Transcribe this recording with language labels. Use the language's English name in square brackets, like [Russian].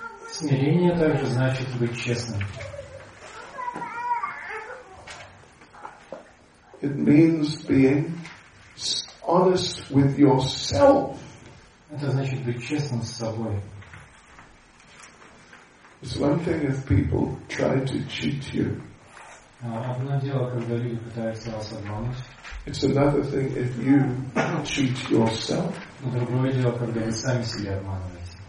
[Russian] Смирение также значит быть честным. [English] It means being honest with yourself. [Russian] Это значит быть честным с собой. [English] It's one thing if people try to cheat you. [Russian] Одно дело, когда люди пытаются вас обмануть. [English] It's another thing if you cheat yourself. [Russian] Другое дело, когда вы сами себя обманываете.